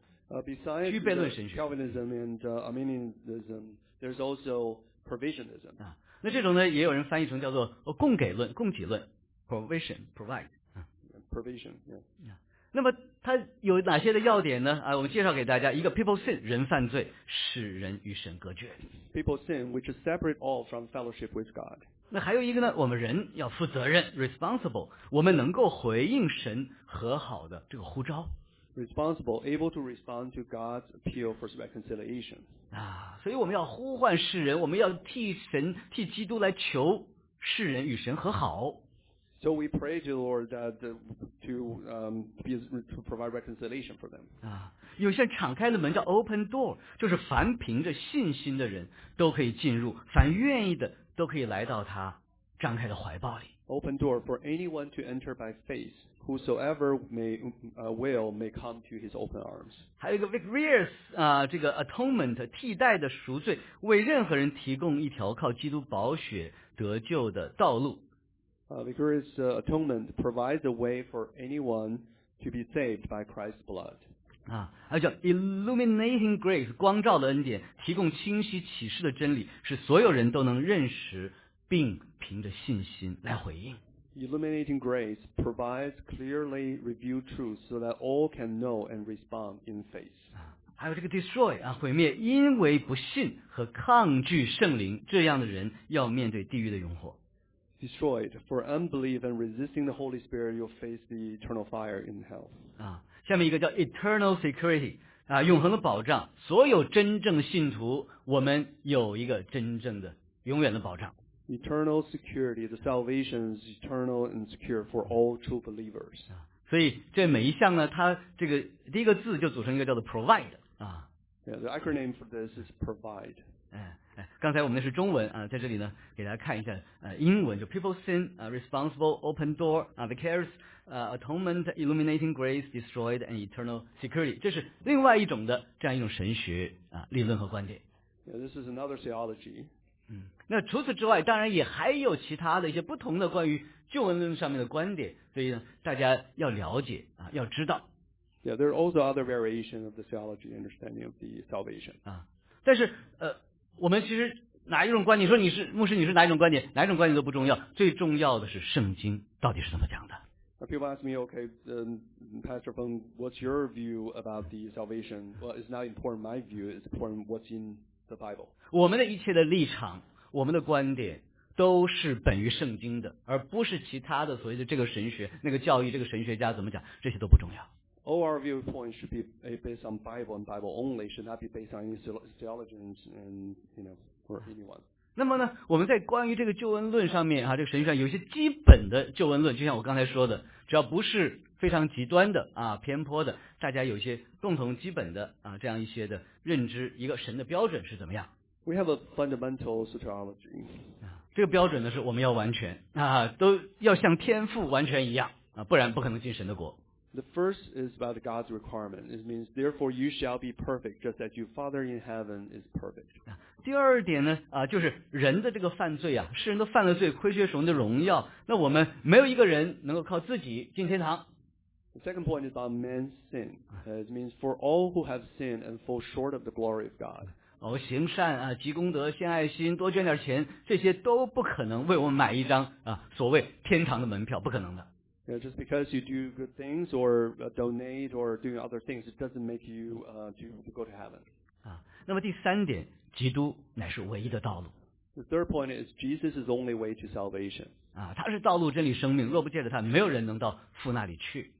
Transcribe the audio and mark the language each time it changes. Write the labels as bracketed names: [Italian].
[English] Besides Calvinism and Arminianism, there's also provisionism. [Chinese] 啊，那这种呢，也有人翻译成叫做供给论、供给论 ，provision, provide. [English] Provision. Yeah. [Chinese] 那么它有哪些的要点呢？啊，我们介绍给大家，一个 people sin, 人犯罪，使人与神隔绝。 [English] People sin, which is separate all from fellowship with God. [Chinese] 那还有一个呢，我们人要负责任 ，responsible. 我们能够回应神和好的这个呼召。 [English] Responsible, able to respond to God's appeal for reconciliation. [Chinese] 啊，所以我们要呼唤世人，我们要替神、替基督来求世人与神和好。 [English] So we pray to the Lord that to provide reconciliation for them. [Chinese] 啊，有扇敞开的门叫 open door, 就是凡凭着信心的人都可以进入，凡愿意的都可以来到他张开的怀抱里。 [English] Open door for anyone to enter by faith, whosoever may will may come to his open arms. [Chinese] 还有一个 vicarious 啊，这个 atonement 替代的赎罪，为任何人提供一条靠基督宝血得救的道路。 [English] Vicarious atonement provides a way for anyone to be saved by Christ's blood. [Chinese] 啊，还有叫 illuminating grace 光照的恩典，提供清晰启示的真理，使所有人都能认识。并凭着信心来回应。 [English] Illuminating grace provides clearly revealed truth so that all can know and respond in faith. [Chinese] 还有这个 destroy 啊，毁灭，因为不信和抗拒圣灵，这样的人要面对地狱的永火。 [English] Destroyed for unbelief and resisting the Holy Spirit, you'll face the eternal fire in hell. [Chinese] 啊，下面一个叫 eternal security 啊，永恒的保障。所有真正信徒，我们有一个真正的永远的保障。 [English] Eternal security, the salvation is eternal and secure for all true believers. [Chinese] 所以这每一项呢，它这个第一个字就组成一个叫做 provide 啊。 [English] Yeah, the acronym for this is provide. [Chinese] 刚才我们那是中文啊，在这里呢给大家看一下英文，就 [English] people sin, responsible, open door, vicarious, atonement, illuminating grace, destroyed and eternal security. [Chinese] 这是另外一种的这样一种神学理论和观点。 [English] Yeah, this is another theology. [Chinese] 那除此之外，当然也还有其他的一些不同的关于救恩论上面的观点，所以呢，大家要了解啊，要知道。 [English] Yeah, there are also other variations of the theology understanding of the salvation. [Chinese] 啊，但是我们其实哪一种观点，你说你是牧师，你是哪一种观点，哪一种观点都不重要，最重要的是圣经到底是怎么讲的。 [English] People ask me, okay, Pastor Feng, what's your view about the salvation? Well, it's not important my view, it's important what's in the Bible. [Chinese] 我们的一切的立场。我们的观点都是本于圣经的，而不是其他的所谓的这个神学、那个教义、这个神学家怎么讲，这些都不重要。 [English] All our viewpoints should be based on Bible and Bible only, should not be based on any theology and you know or anyone. [Chinese] 那么呢，我们在关于这个救恩论上面啊，这个神学上有些基本的救恩论，就像我刚才说的，只要不是非常极端的啊、偏颇的，大家有些共同基本的啊这样一些的认知，一个神的标准是怎么样？ [English] We have a fundamental soteriology. [Chinese] 这个标准呢是我们要完全啊，都要像天父完全一样啊，不然不可能进神的国。 [English] The first is about God's requirement. It means, therefore, you shall be perfect, just as your Father in heaven is perfect. [Chinese] 第二点呢，就是人的这个犯罪啊，世人都犯了罪，亏缺神的荣耀。那我们没有一个人能够靠自己进天堂。 [English] The second point is on man's sin. It means for all who have sinned and fall short of the glory of God. [Chinese] 行善啊，积功德，献爱心，多捐点钱，这些都不可能为我们买一张啊所谓天堂的门票，不可能的。 [English] Yeah, just because you do good things or donate or doing other things, it doesn't make you to go to heaven. [Chinese] 那么第三点，基督乃是唯一的道路。 [English] The third point is Jesus is the only way to salvation. [Chinese] 他是道路、真理、生命，若不借着他，没有人能到父那里去。